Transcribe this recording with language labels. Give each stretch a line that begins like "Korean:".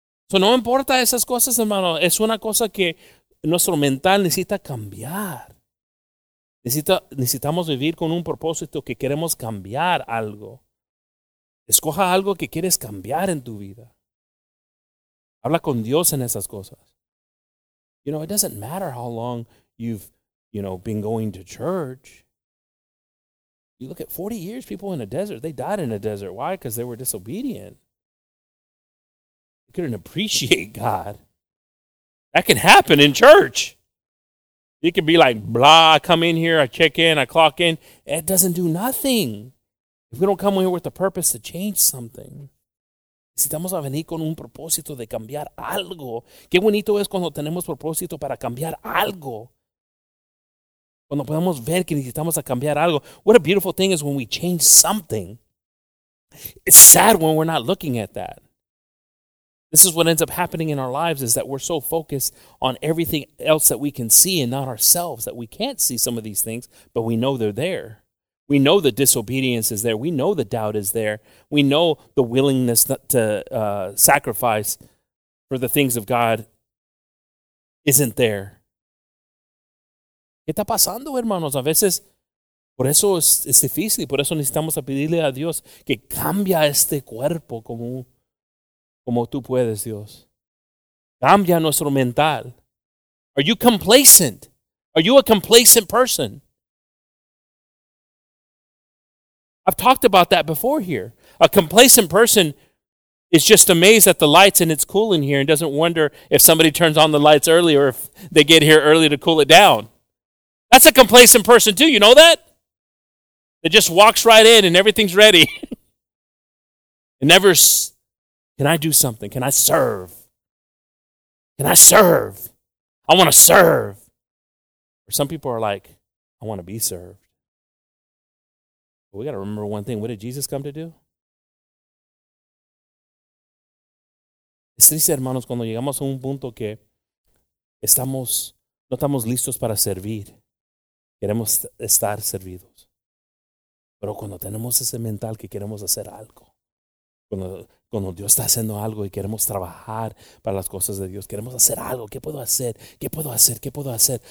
Spanish: So no importa esas cosas, hermano. Es una cosa que nuestro mental necesita cambiar. Necesitamos vivir con un propósito, que queremos cambiar algo. Escoja algo que quieres cambiar en tu vida. Habla con Dios en esas cosas.
English: You know, it doesn't matter how long you've, you know, been going to church. You look at 40 years, people in a desert, they died in a desert. Why? Because they were disobedient. couldn't appreciate God. That can happen in church. It can be like, blah, I come in here, I check in, I clock in. It doesn't do nothing. If we don't come in here with the purpose to change something.
Spanish: Necesitamos venir con un propósito de cambiar algo. Qué bonito es cuando tenemos propósito para cambiar algo. Cuando podemos ver que necesitamos a cambiar algo.
English: What a beautiful thing is when we change something. It's sad when we're not looking at that. This is what ends up happening in our lives, is that we're so focused on everything else that we can see and not ourselves, that we can't see some of these things, but we know they're there. We know the disobedience is there. We know the doubt is there. We know the willingness to sacrifice for the things of God isn't there.
Spanish: ¿Qué está pasando, hermanos? A veces, por eso es difícil. Por eso necesitamos a pedirle a Dios que cambia este cuerpo como tú puedes, Dios. Cambia nuestro mental.
English: Are you complacent? Are you a complacent person? I've talked about that before here. A complacent person is just amazed at the lights and it's cool in here and doesn't wonder if somebody turns on the lights early or if they get here early to cool it down. That's a complacent person too, you know that? That just walks right in and everything's ready. And never, can I do something? Can I serve? Can I serve? I want to serve. Or some people are like, I want to be served. But we got to remember one thing. What did Jesus come to do?
Spanish: Es triste, hermanos, cuando llegamos a un punto que estamos, no estamos listos para servir. Queremos estar servidos. Pero cuando tenemos ese mental que queremos hacer algo, cuando Dios está haciendo algo y queremos trabajar para las cosas de Dios, queremos hacer algo, ¿qué puedo hacer? ¿Qué puedo hacer? ¿Qué puedo hacer?